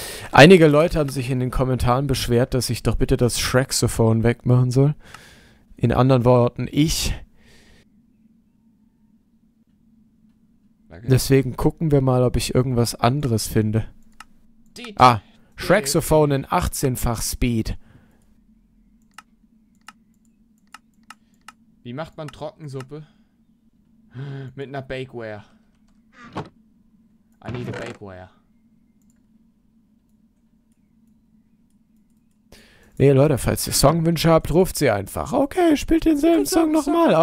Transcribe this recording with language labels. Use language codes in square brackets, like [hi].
[de] Einige Leute haben sich in den Kommentaren beschwert, dass ich doch bitte das Shrek-Sophon wegmachen soll. In anderen Worten, ich. Deswegen gucken wir mal, ob ich irgendwas anderes finde. Ah, Shrek-Sophon in 18-fach Speed. Wie macht man Trockensuppe? Mit einer Bakeware. [en] I need a Bakeware. [de] Nee, Leute, falls ihr Songwünsche habt, ruft sie einfach. Okay, spielt denselben Song nochmal.